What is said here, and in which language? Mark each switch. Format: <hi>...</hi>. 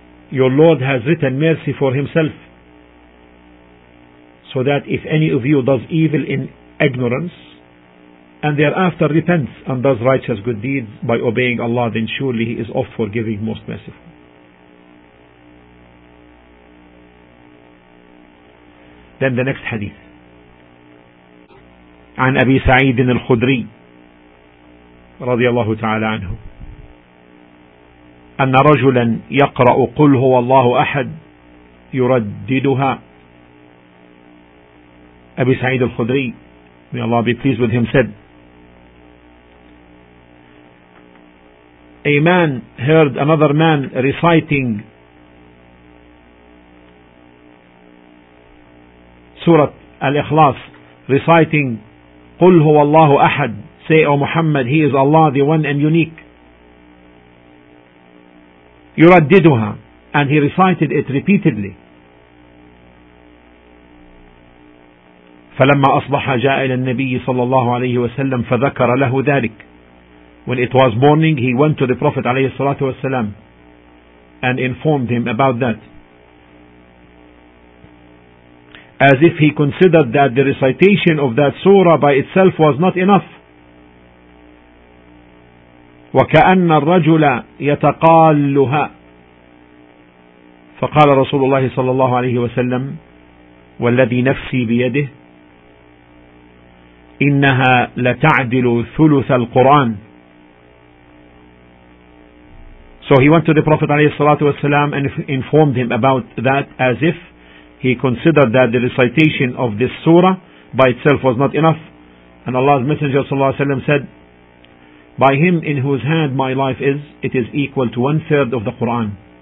<en>Your Lord has written mercy for himself, so that if any of you does evil in ignorance and thereafter repents and does righteous good deeds by obeying Allah, then surely he is of forgiving, most merciful. Then the next hadith,</en> <ar>عن أبي سعيد الخدري رضي الله تعالى عنه أن رجلا يقرأ قل هو الله أحد يرددها.</ar> <en>أبي سعيد الخدري, may Allah be pleased with him, said, a man heard another man reciting Surah Al-Ikhlas, reciting</en> <ar>قل هو الله أحد,</ar> <en>say, O Muhammad, he is Allah, the one and unique. يرددها, and he recited it repeatedly.</en> <ar>فلما أصبح جاء إلى النبي صلى الله عليه وسلم فذكر له ذلك.</ar> <en>When it was morning, he went to the Prophet عليه الصلاة والسلام and informed him about that, as if he considered that the recitation of that surah by itself was not enough.</en> <ar>وكأن الرجل يتقالها. فقال رسول الله صلى الله عليه وسلم والذي نفسي بيده إنها لتعدل ثلث القرآن.</ar> <en>So he went to the Prophet عليه الصلاة والسلام and informed him about that, as if he considered that the recitation of this surah by itself was not enough. And Allah's Messenger صلى الله عليه وسلم said, by him in whose hand my life is, it is equal to one third of the Quran.</en>